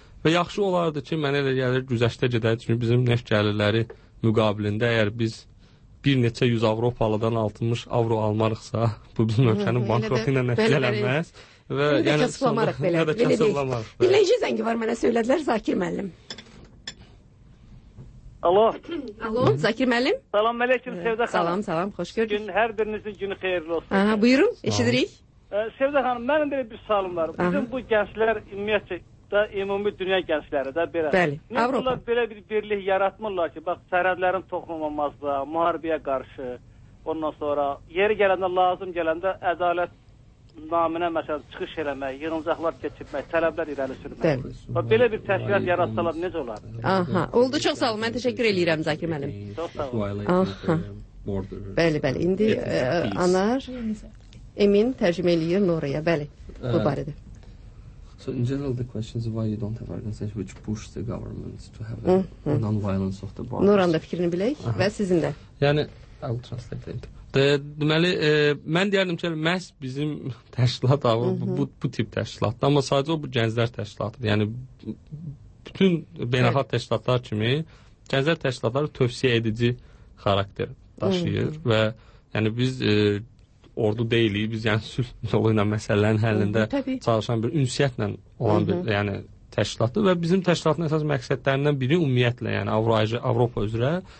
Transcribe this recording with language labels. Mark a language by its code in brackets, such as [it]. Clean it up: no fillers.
[az] Və yaxşı olardı ki, mənə elə gəlir, güzəştə gedərdi. Çünki bizim neft gəlirləri müqabilində əgər biz bir neçə 100 avropalıdan 60 avro almarıqsa, bu bizim ölkənin bankrotu ilə nəticələnməz. Və yenə də kasıblamarıq belə. Dinləyici zəngi var mənə, söylədilər Zakir müəllim. Alo. Alo, Zakir müəllim. Salam əleyküm, Sevda xanım. Salam, salam, xoş gördük. Gün, hər birinizin günü xeyirli olsun. Aha, buyurun, eşidirik. Sevda xanım, mənim belə bir sualım var. Bizim bu gənclər, ümumiyyətcə, da ümumi dünya gəncləri də belə. Bəli, Avropa. Bunlar belə bir birlik yaratmırlar ki, bax, sərhədlərin toxunulmazlığı, müharibəyə qarşı, ondan sonra yeri gələndə, lazım gələndə ədalət naminə, məsələn, çıxış eləmək, yığıncaqlar keçirmək, tələblər irəli sürmək. Belə bir təşkilat yaratsalar necə olar? Aha, oldu, çox sağ olun, mən təşəkkür eləyirəm Zakir müəllim. Çox sağ olun. Aha, bəli, bəli, indi Anar, Emin tərcümə eləyir Noraya, bəli, bu barədə. [en] So in general, the question is why you don't have organizations which push the government to have a non-violence of the borders. [az] Nuran da fikrini biləyik və sizin də. [en] Yəni, I will translate it. [az] Deməli, mən deyərdim ki, məhz bizim təşkilat avı bu tip təşkilatdır, amma sadəcə o, bu gənclər təşkilatıdır. Yəni, bütün beynəlxalq təşkilatlar kimi gənclər təşkilatları tövsiyə edici xarakter daşıyır və yəni biz ordu deyilik, biz yəni sülh yolu ilə məsələlərin həllində çalışan bir ünsiyyətlə olan bir yəni, təşkilatdır və bizim təşkilatın əsas məqsədlərindən biri ümumiyyətlə, yəni Avropa üzrə.